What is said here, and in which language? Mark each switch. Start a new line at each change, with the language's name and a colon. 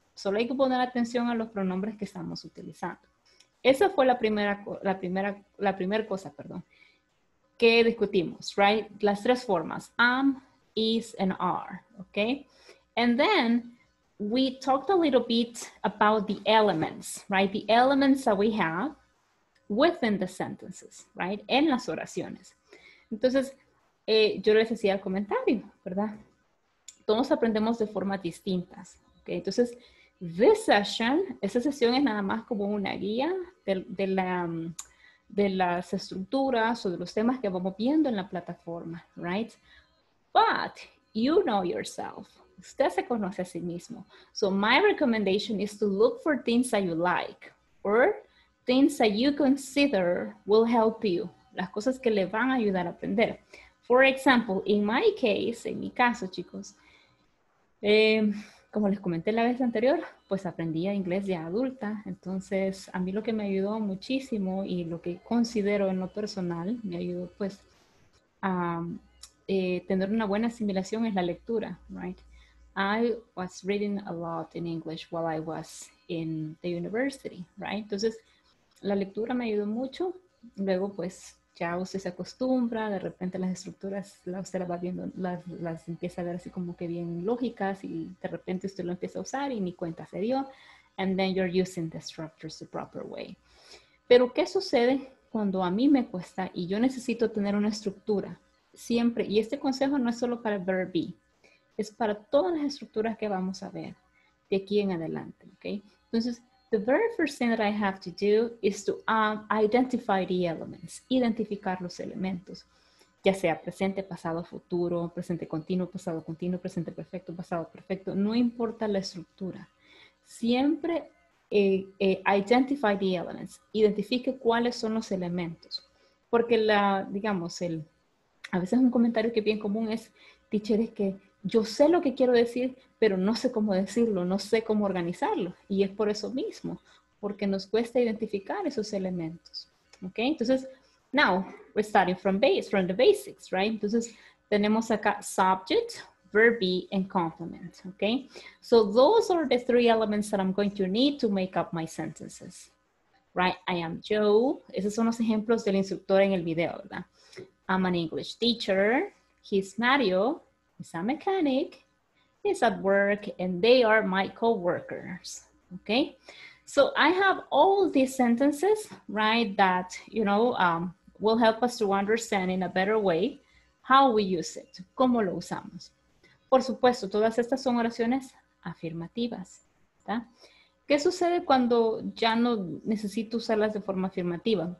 Spanish: Solo hay que poner atención a los pronombres que estamos utilizando. Esa fue la primera cosa, que discutimos,
English: right?
Spanish: Las tres formas.
English: Am, is, and are, okay? And then, we talked a little bit about the elements, right? The elements that we have within the sentences, right?
Spanish: En las oraciones. Entonces, yo les decía el comentario, ¿verdad? Todos aprendemos de formas distintas, ¿ok? Entonces,
English: this session,
Spanish: esta sesión es nada más como una guía de las estructuras o de los temas que vamos viendo en la plataforma,
English: right? But you know yourself.
Spanish: Usted se conoce a sí mismo.
English: So my recommendation is to look for things that you like or things that you consider will help you.
Spanish: Las cosas que le van a ayudar a aprender.
English: For example, in my case,
Spanish: en mi caso, chicos, como les comenté la vez anterior, pues aprendí inglés ya adulta. Entonces, a mí lo que me ayudó muchísimo y lo que considero en lo personal me ayudó, pues, a tener una buena asimilación es la lectura,
English: right? I was reading a lot in English while I was in the university, right?
Spanish: Entonces, la lectura me ayudó mucho. Luego, pues, ya usted se acostumbra. De repente, las estructuras, usted las va viendo, las empieza a ver así como que bien lógicas. Y de repente, usted lo empieza a usar y ni cuenta se dio.
English: And then you're using the structures the proper way.
Spanish: Pero, ¿qué sucede cuando a mí me cuesta y yo necesito tener una estructura? Siempre, y este consejo no es solo para el verb be. Es para todas las estructuras que vamos a ver de aquí en adelante, okay? Entonces,
English: the very first thing that I have to do is to identify the elements,
Spanish: identificar los elementos, ya sea presente, pasado, futuro, presente continuo, pasado perfecto, no importa la estructura. Siempre
English: identify the elements,
Spanish: identifique cuáles son los elementos. Porque a veces un comentario que es bien común es, teacher, es que, yo sé lo que quiero decir, pero no sé cómo decirlo, no sé cómo organizarlo. Y es por eso mismo, porque nos cuesta identificar esos elementos. ¿Ok? Entonces,
English: now, we're starting from the basics, right?
Spanish: Entonces, tenemos acá
English: subject, verb be, and complement. ¿Ok? So, those are the three elements that I'm going to need to make up my sentences. Right? I am Joe.
Spanish: Esos son los ejemplos del instructor en el video, ¿verdad?
English: I'm an English teacher. He's Mario. He's a mechanic, he's at work, and they are my co-workers, okay? So I have all these sentences, right, that, you know, will help us to understand in a better way how we use it,
Spanish: cómo lo usamos. Por supuesto, todas estas son oraciones afirmativas, ¿está? ¿Qué sucede cuando ya no necesito usarlas de forma afirmativa?